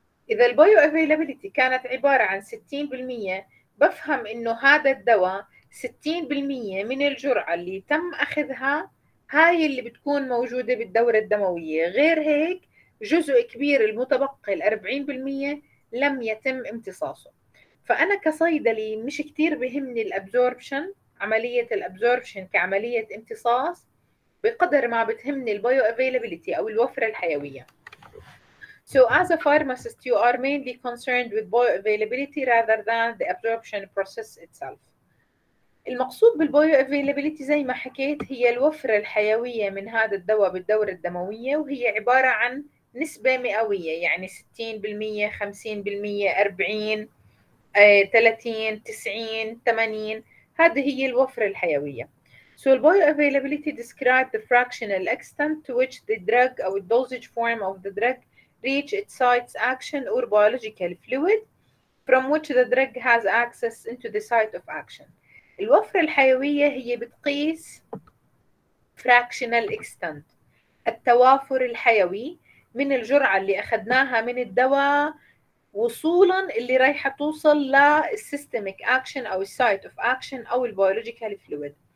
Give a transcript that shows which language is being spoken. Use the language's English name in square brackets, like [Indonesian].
[Arabic] إذا البايو افيلابيليتي كانت عبارة عن 60%، بفهم إنه هذا الدواء 60% من الجرعة اللي تم أخذها هاي اللي بتكون موجودة بالدورة الدموية، غير هيك جزء كبير المتبقي 40% لم يتم امتصاصه. فأنا كصيدلي مش كتير بهمني الأبزوربشن، عملية الأبزوربشن كعملية امتصاص، بقدر ما بتهمني البايو افيلابيليتي أو الوفرة الحيوية. [English] So as a pharmacist you are mainly concerned with bioavailability rather than the absorption process itself. [Arabic] المقصود بالبايوافيلابيليتي زي ما حكيت هي الوفرة الحيوية من هذا الدواء بالدورة الدموية، وهي عبارة عن نسبة مئوية، يعني 60%، 50%، 40، 30، 90، 80، هذه هي الوفرة الحيوية. [English] So the bioavailability describes the fractional extent to which the drug or the dosage form of the drug reach its site's action or biological fluid from which the drug has access into the site of action. [Arabic] الوفرة الحيوية هي بتقيس fractional extent، التوافر الحيوي من الجرعة اللي أخذناها من الدواء وصولا اللي رايحة توصل للسيستميك اكشن او السايت اوف اكشن او البيولوجيكال فلويد.